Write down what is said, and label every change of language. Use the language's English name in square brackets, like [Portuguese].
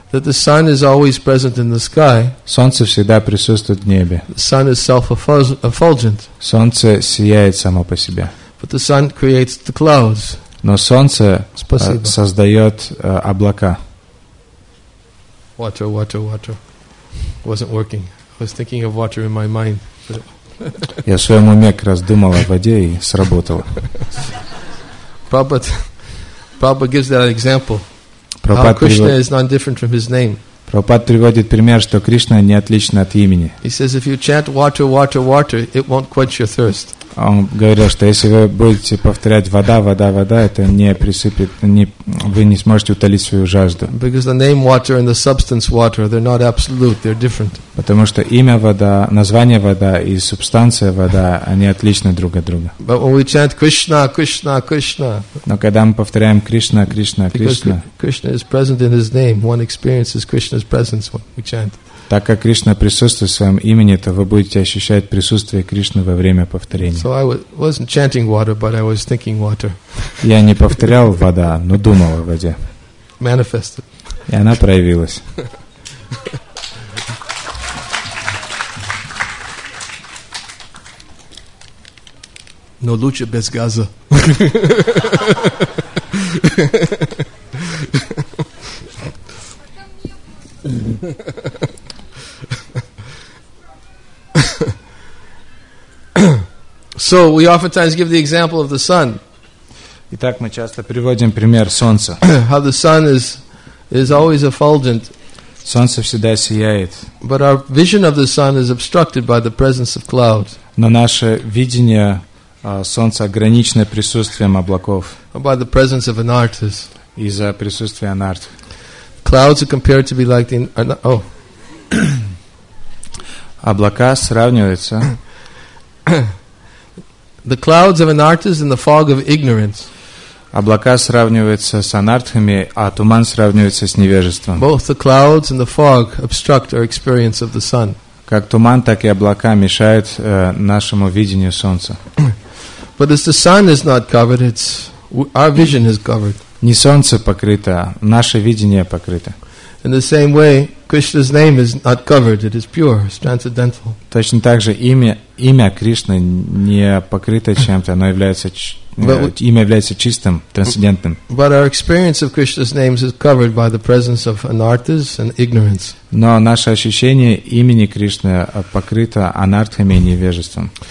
[English] That the sun is always present in the sky. [Russian] Солнце всегда присутствует в небе. [English] The sun is self-effulgent. [Russian] Солнце сияет само по себе. [English] But the sun creates the clouds. [Russian] Но солнце создает облака. [English] Water. Wasn't working. I was thinking of water in my mind. [Russian] Я в своем уме как раз думал о воде и сработало. [English] Prabhupada gives that example. How Krishna is not different from his name. [Russian] Прабхупад приводит пример, что Кришна не отлична от имени. [English] He says, if you chant water, it won't quench your thirst. [Russian] Он говорил, что если вы будете повторять вода, это не присыпет, вы не сможете утолить свою жажду. [English] Because the name water and the substance water, they're not absolute, they're different. [Russian] Потому что имя вода, название вода и субстанция вода, они отличны друг от друга. [English] But when we chant Krishna. [Russian] Но когда мы повторяем Кришна. [English] Because Krishna is present in his name, one experiences Krishna's presence when we chant. [Russian] Так как Кришна присутствует в своем имени, то вы будете ощущать присутствие Кришны во время повторения. [English] So I wasn't chanting water, but I was thinking water. [Russian] Я не повторял вода, но думал о воде. [English] Manifested. [Russian] И она проявилась. Но лучше без газа. [English] So we oftentimes give the example of the sun. [Russian] Итак, мы часто приводим пример солнца. [English] How the sun is always effulgent. [Russian] Солнце всегда сияет. [English] But our vision of the sun is obstructed by the presence of clouds. [Russian] Но наше видение солнца ограничено присутствием облаков. [English] Or by the presence of an artist. [Russian] Из-за присутствия анарт. [English] Clouds are compared to be like the oh. [Russian] Облака сравниваются. [English] The clouds of an artist and the fog of ignorance. [Russian] Облака сравниваются с анартхами, а туман сравнивается с невежеством. [English] Both the clouds and the fog obstruct our experience of the sun. [Russian] Как туман, так и облака мешают нашему видению солнца. [English] But as the sun is not covered, it's our vision is covered. [Russian] Не солнце покрыто, наше видение покрыто. [English] In the same way, Krishna's name is not covered; it is pure, it's transcendental. [Russian] Точно так же имя Кришны не покрыто чем-то, оно является имя является чистым, трансцендентным. [English] But our experience of Krishna's names is covered by the presence of anarthas and ignorance. [Russian] Но наше ощущение имени Кришны покрыто анартхами и невежеством.